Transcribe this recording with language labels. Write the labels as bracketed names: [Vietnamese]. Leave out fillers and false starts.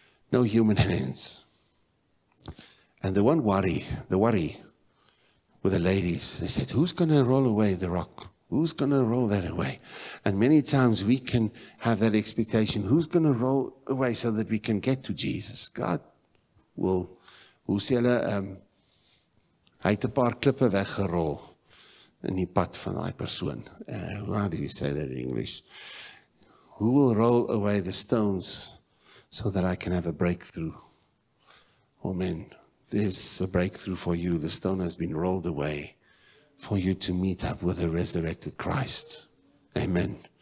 [English] No human hands. And the one worry, with the ladies, they said, who's going to roll away the rock? Who's going to roll that away? And many times we can have that expectation. Who's going to roll away so that we can get to Jesus? God will. [Afrikaans] Hoe sê hulle, hy het 'n paar klippe weggerol in die pad van die persoon. [English] How do you say that in English? Who will roll away the stones so that I can have a breakthrough? Oh man, there's a breakthrough for you. The stone has been rolled away for you to meet up with the resurrected Christ. Amen.